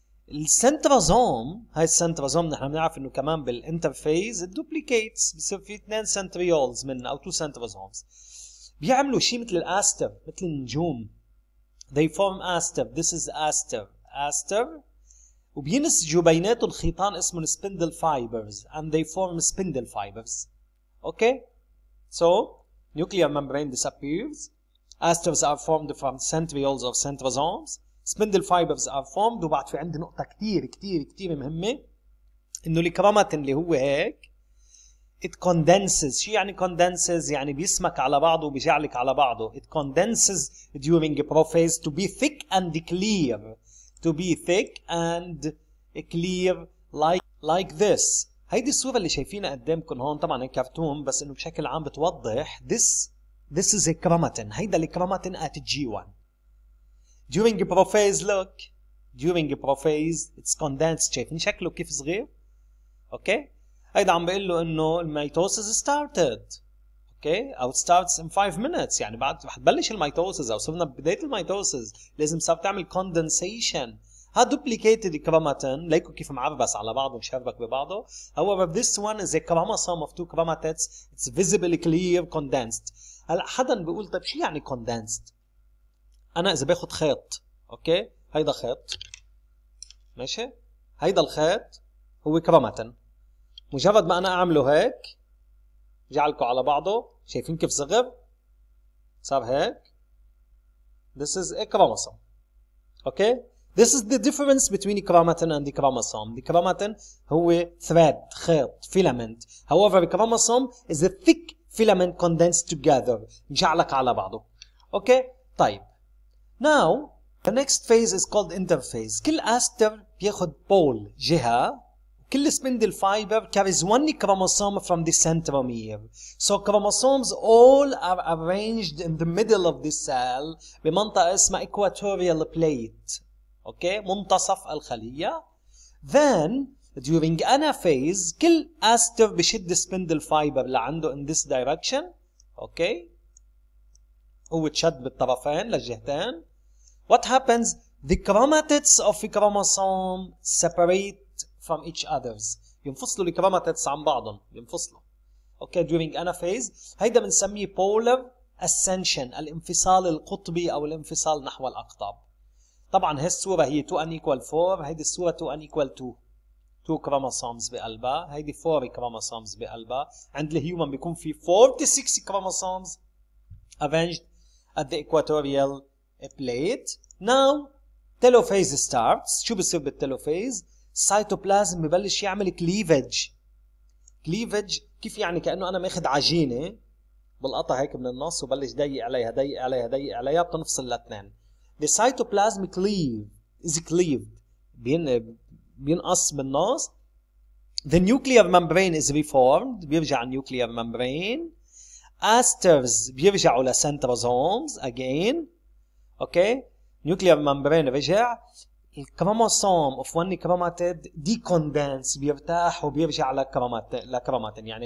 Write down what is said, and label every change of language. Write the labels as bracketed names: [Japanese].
[Arabic] السنتروزوم، هاي السنتروزوم نحن بنعرف انه كمان بالانترفيز الدوبليكيتس بصير في اثنين سنتريولز منها او تو سنتروزومز بيعملوا شيء مثل الاستر، مثل النجوم. [English] They form aster. This is aster. Aster. [Arabic] وبينسجوا بيناتهم خيطان اسمه spindle fibers [English] and they form spindle fibers. Okay? So nuclear membrane disappears. Asters are formed from centrioles of centrosomes. Spindle fibers are formed. [Arabic] وبعد في عندي نقطة كتير كتير كتير مهمة انه الكروماتين اللي هو هيك [English] it condenses. [Arabic] شو يعني [English] condenses؟ [Arabic] يعني بيسمك على بعضه وبيجعلك على بعضه. [English] It condenses during prophase to be thick and clear. To be thick and clear like this. [Arabic] هيدي الصورة اللي شايفينها قدامكم هون طبعا كرتون بس انه بشكل عام بتوضح [English] this is a chromatin. [Arabic] هيدا الكروماتين [English] at G1. During the prophase, look. During the prophase, it's condensed. [Arabic] شايفين شكله كيف صغير؟ [English] Okay. [Arabic] هيدا عم بقول له إنه الميتوسيس [English] started. Okay. [Arabic] أو [English] it starts in 5 minutes. [Arabic] يعني بعد رح تبلش الميتوسيس أو صرنا ببداية الميتوسيس. لازم صار تعمل [English] condensation. ها duplicated chromatin. [Arabic] ليكو كيف معربس على بعضه ومشربك ببعضه. [English] However, this one is a chromosome of two chromatids. It's visibly clear condensed. [Arabic] هلا حدا بيقول طيب شو يعني [English] condensed؟ [Arabic] أنا إذا باخد خيط، أوكي؟ هيدا خيط، ماشي؟ هيدا الخيط هو كروماتين. مجرد ما أنا أعمله هيك، جعلكم على بعضه، شايفين كيف صغر؟ صار هيك. [English] This is a chromosome. [Arabic] أوكي؟ [English] This is the difference between chromatin and the chromosome. The chromatin [Arabic] هو [English] thread، [Arabic] خيط، [English] filament. However, the chromosome is a thick filament condensed together، [Arabic] جعلك على بعضه. أوكي؟ طيب. [English] Now, the next phase is called interphase. [Arabic] كل أستر بياخد بول جهة وكل [English] spindle fiber carries one chromosome from the centromere. So chromosomes all are arranged in the middle of the cell [Arabic] بمنطقة اسمها [English] equatorial plate. Okay, [Arabic] منتصف الخلية. [English] Then, during anaphase, [Arabic] كل أستر بشد [English] spindle fiber [Arabic] لعنده [English] in this direction. Okay, [Arabic] هو تشد بالطرفين للجهتين. [English] What happens? The chromatids of the chromosome separate from each others. [Arabic] ينفصلوا الكروماتيدز عن بعضهم. ينفصلوا. [English] Okay, during anaphase. [Arabic] هيدا بنسميه [English] polar ascension. [Arabic] الانفصال القطبي او الانفصال نحو الاقطاب. طبعا هي الصورة هي [English] 2n equal 4. [Arabic] هيدي الصورة 2n equal 2. [English] 2 chromosomes [Arabic] بقلبها. هيدي [English] 4 chromosomes [Arabic] بقلبها. عند الهيومن بيكون في [English] 46 chromosomes arranged at the equatorial plate. Now, telophase starts. [Arabic] شو بصير بالتلوفيز؟ السيتوبلازم ببلش يعمل كليفج. كليفج كيف يعني؟ كأنه أنا ماخذ عجينة بالقطع هيك من النص وبلش ضيق عليها ضيق عليها ضيق عليها بتنفصل الاثنين. [English] The cytoplasm cleave is cleaved [Arabic] بينقص بالنص. [English] The nuclear membrane is reformed [Arabic] بيرجع [English] nuclear membrane. Asters [Arabic] بيرجعوا [English] لcentrosomes again. Okay, nuclear membrane [Arabic] رجع. الكروموسوم [English] of one chromatid decondense [Arabic] بيرتاح وبيرجع لكروماتين.